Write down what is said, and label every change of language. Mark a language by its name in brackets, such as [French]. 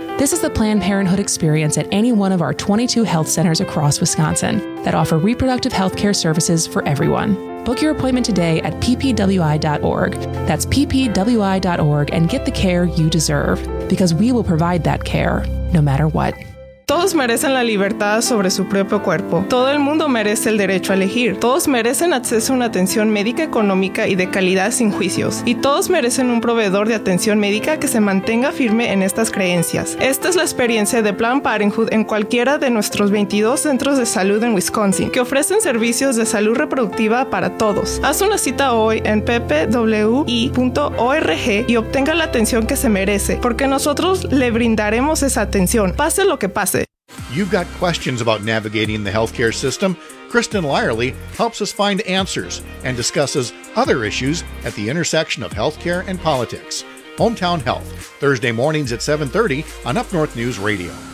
[English] This is the Planned Parenthood experience at any one of our 22 health centers across Wisconsin that offer reproductive health care services for everyone. Book your appointment today at ppwi.org. That's ppwi.org, and get the care you deserve, because we will provide that care no matter what. [Spanish] Todos merecen la libertad sobre su propio cuerpo. Todo el mundo merece el derecho a elegir. Todos merecen acceso a una atención médica económica y de calidad sin juicios. Y todos merecen un proveedor de atención médica que se mantenga firme en estas creencias. Esta es la experiencia de Planned Parenthood en cualquiera de nuestros 22 centros de salud en Wisconsin, que ofrecen servicios de salud reproductiva para todos. Haz una cita hoy en ppwi.org y obtenga la atención que se merece, porque nosotros le brindaremos esa atención, pase lo que pase. [English] You've got questions about navigating the healthcare system? Kristen Lyerly helps us find answers and discusses other issues at the intersection of healthcare and politics. Hometown Health, Thursday mornings at 7:30 on Up North News Radio.